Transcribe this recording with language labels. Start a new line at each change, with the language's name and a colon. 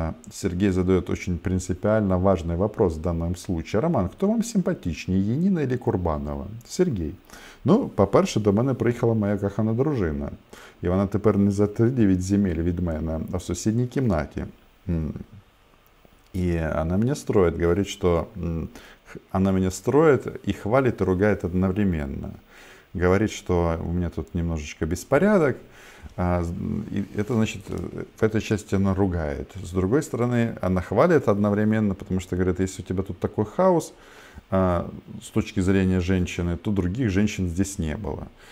Russian: Сергей задает очень принципиально важный вопрос в данном случае. Роман, кто вам симпатичнее, Янина или Курбанова? Сергей.
Ukrainian: Ну, по-перше, до мене приїхала моя кохана дружина. І вона тепер не за 3-9 земель від мене, а в сусідній кімнаті.
Russian: И она меня строит, говорит, что она меня строит и хвалит, и ругает одновременно. Говорит, что у меня тут немножечко беспорядок. И это значит, в этой части она ругает. С другой стороны, она хвалит одновременно, потому что говорит, если у тебя тут такой хаос с точки зрения женщины, то других женщин здесь не было.